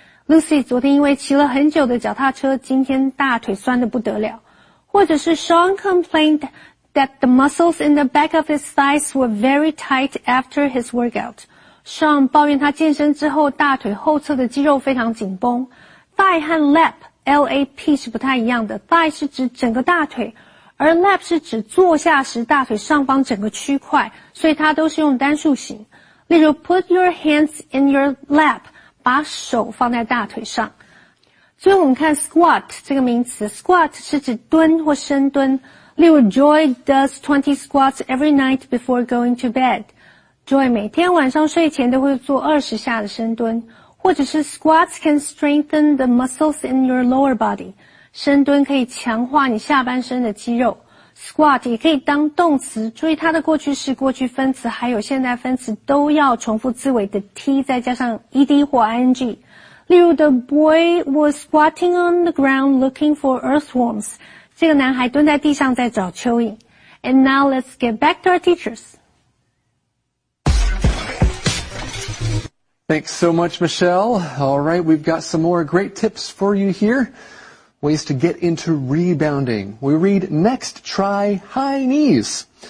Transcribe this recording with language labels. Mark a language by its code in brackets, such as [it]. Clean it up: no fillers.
[zh] Lucy 昨天因为骑了很久的脚踏车，今天大腿酸得不得了。或者是 [en] Sean complained that the muscles in the back of his thighs were very tight after his workout. [zh] Sean 抱怨他健身之后大腿后侧的肌肉非常紧绷。 Thigh 和 lap, L-A-P 是不太一样的。Thigh 是指整个大腿，而 lap 是指坐下时大腿上方整个区块，所以它都是用单数型。例如 [en] put your hands in your lap, [zh] 把手放在大腿上。最后我们看 squat 这个名词。squat 是指蹲或深蹲。例如 [en] Joy does 20 squats every night before going to bed. [zh] Joy 每天晚上睡前都会做20下的深蹲。或者是 [en] squats can strengthen the muscles in your lower body. [zh] 深蹲可以强化你下半身的肌肉。 squat 也可以当动词，注意它的过去式、过去分词还有现在分词都要重复字尾的 t 再加上 ed 或 ing。例如 [en] ，The boy was squatting on the ground looking for earthworms。 [zh] 这个男孩蹲在地上在找蚯蚓。 [en] And now let's get back to our teachers. Thanks so much, Michelle. All right, we've got some more great tips for you here. Ways to get into rebounding. We read, next, try high knees.